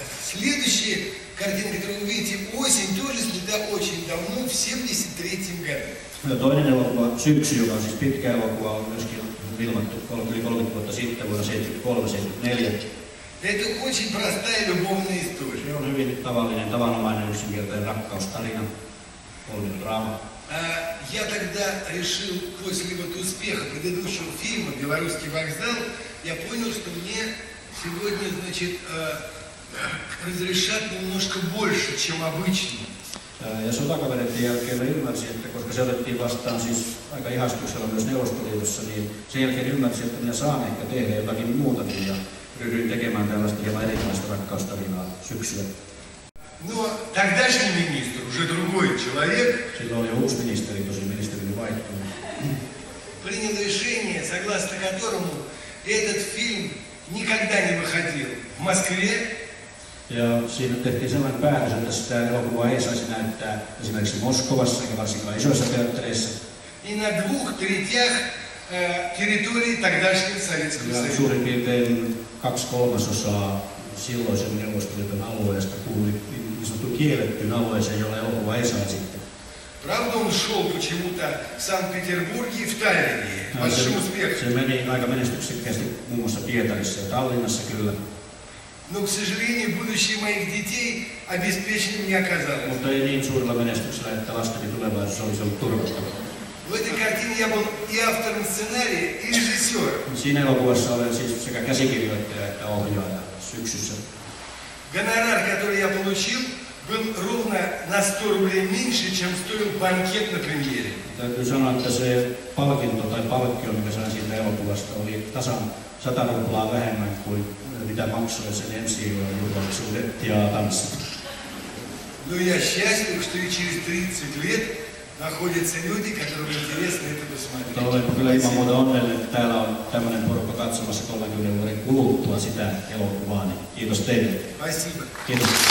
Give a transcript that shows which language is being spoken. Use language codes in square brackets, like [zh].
[ru] Следующая картина, которую вы видите осень, тоже снята очень давно, в 73-м году. [fi] Toinen elokuva, Syksy, joka on siis pitkä elokuva, on myöskin filmattu yli 30 vuotta sitten, vuonna 73-74. [ru] Это очень простая любовная история. [fi] Se on hyvin tavallinen, tavanomainen yksinkertainen rakkaustarina, polvinen draama. [ru] Я тогда решил, после вот успеха предыдущего фильма «Белорусский вокзал», я понял, что мне сегодня, значит, разрешат немножко больше, чем обычно. [fi] Ja sotakavereiden jälkeen mä ymmärsin, että koska se otettiin vastaan siis aika ihastuksella myös Neuvostoliitossa, niin sen jälkeen ymmärsin, että minä saan ehkä tehdä jotakin muutakin ja ryhdyin tekemään tällaista hieman erilaista rakkaustarinaa syksyllä. [ru] Но тогдашний министр, уже другой человек, принял решение, согласно которому этот фильм никогда не выходил в Москве. [fi] Ja siinä tehtiin sellainen päätös, että sitä elokuvaa ei saisi näyttää esimerkiksi Moskovassa ja varsinkaan isoissa teattereissa. [ru] И на двух третях территории тогдашнего Советского Союза. [fi] Ja suurin piirtein 2/3 silloisen Neuvostoliiton alueesta kuului niin sanottu kielletty alueeseen, jolle elokuva ei saa sitten. [ru] Правда, он шел почему-то в Санкт-Петербурге и в Таллине. Большим успехом. [fi] Se meni aika menestyksekkäästi muun muassa Pietarissa ja Tallinnassa kyllä. [ru] Но, к сожалению, будущее моих детей обеспечено не оказалось. [fi] Mutta ei niin suurella menestyksellä, että lasteni tulevaisuus olisi ollut turvattava. [ru] В этой картине я был и автором сценария, и режиссером. [fi] Siinä elokuvassa olen siis sekä käsikirjoittaja että ohjaaja syksyssä. [ru] Гонорар, который я получил, был ровно на 100 рублей меньше, чем стоил банкет на премьере. [fi] Täytyy sanoa, että se palkinto tai palkkio, mikä sain siitä elokuvasta, oli tasan 100 ruplaa vähemmän kuin mitä maksoi sen ensi-illan juhlallisuudet ja tanssit. [ru] Ну я счастлив, что и через 30 лет находятся люди, которым интересно это посмотреть. [fi] Olen kyllä ilman muuta onnellinen, että täällä on tämmöinen porukka katsomassa 30 vuoden kuluttua sitä elokuvaa. Niin kiitos teille. [ru] Спасибо. [fi] Kiitos.